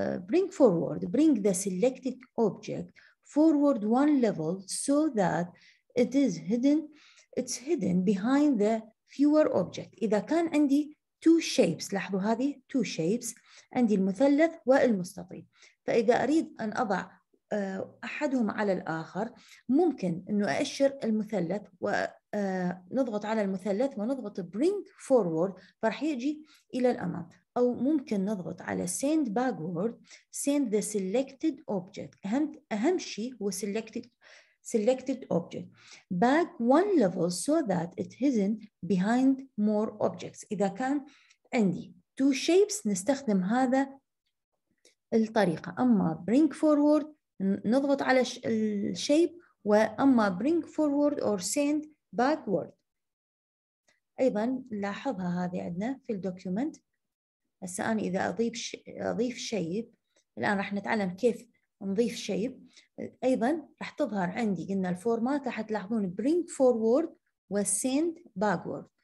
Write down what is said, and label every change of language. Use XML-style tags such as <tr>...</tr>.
<en>Bring forward bring the selected object forward one level so that it is hidden it's hidden behind the fewer object.</en> <ar>إذا كان عندي</ar> <en>two shapes</en> <ar>لاحظوا هذه two shapes عندي المثلث والمستطيل فإذا أريد أن أضع أحدهم على الآخر ممكن أنه أأشر المثلث ونضغط على المثلث ونضغط bring forward فرح يجي إلى الأمام. أو ممكن نضغط على</ar> <en>send backward send the selected object.</en> <ar>أهم شيء هو</ar> <en>selected object back one level so that it hidden behind more objects.</en> <ar>إذا كان عندي</ar> <en>two shapes</en> <ar>نستخدم هذا الطريقة.</ar> <en>أما bring forward</en> <ar>نضغط على الشيب وأما</ar> <en>bring forward or send backward.</en> <ar>أيضا لاحظها هذه عندنا في الدوكيومنت. هسه أنا إذا أضيف شيب الآن راح نتعلم كيف نضيف شيب. أيضا راح تظهر عندي قلنا الفورمات راح تلاحظون bring forward و send backward.</ar>